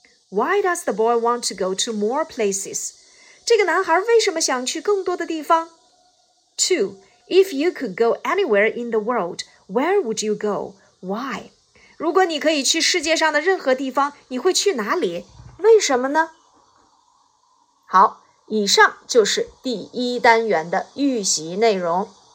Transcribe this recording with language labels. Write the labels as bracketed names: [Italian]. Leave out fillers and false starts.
[English] Why does the boy want to go to more places? [Chinese] 这个男孩为什么想去更多的地方？ 2. [English] If you could go anywhere in the world, where would you go? Why? [Chinese] 如果你可以去世界上的任何地方，你会去哪里？为什么呢？好，以上就是第一单元的预习内容。